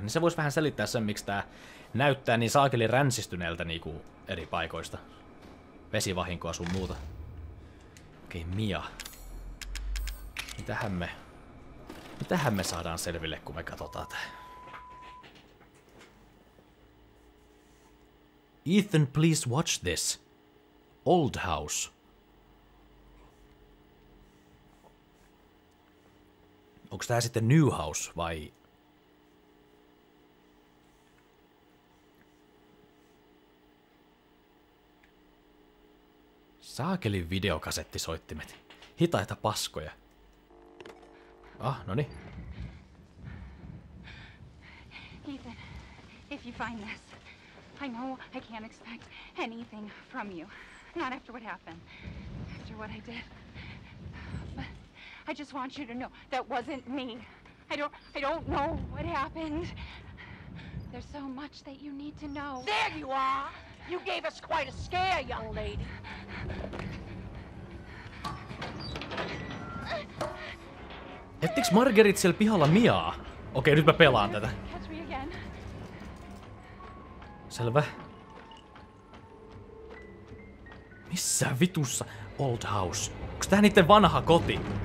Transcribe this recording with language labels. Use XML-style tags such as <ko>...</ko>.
<fi>Niin se voisi vähän selittää sen, miksi tää näyttää niin saakeli ränsistyneeltä niinku eri paikoista. Vesivahinkoa sun muuta. Okei, okay, Mia. Mitähän me saadaan selville, kun me katsotaan tää?</fi> <en>Ethan, please watch this. Old house.</en> <fi>Onks tää sitten</fi> <en>new house</en> <fi>vai? Saakeli videokasettisoittimet. Hitaita paskoja. Ah, no niin.</fi> <en>Ethan, if you find this, I know I can't expect anything from you. Not after what happened, after what I did. But I just want you to know that wasn't me. I don't know what happened. There's so much that you need to know. There you are! You gave us quite a scare, young lady.</en> <fi>Ettiks Margaret siellä pihalla Miaa? Okei, nyt mä pelaan tätä.</fi> <en>Catch me again.</en> <fi>Selvä. Missä vitussa?</fi> <en>Old house.</en> <fi>Onks tää niitten vanha koti?</fi>